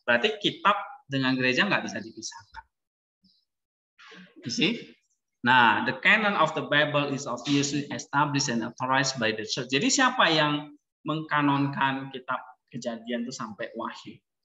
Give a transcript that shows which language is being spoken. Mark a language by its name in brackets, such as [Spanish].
[Indonesian] Berarti kitab dengan gereja enggak bisa dipisahkan. [English] You see? [Indonesian] Nah, [English] the canon of the Bible is obviously established and authorized by the church. [Indonesian] Jadi siapa yang mengkanonkan kitab Kejadian itu sampai Wahyu?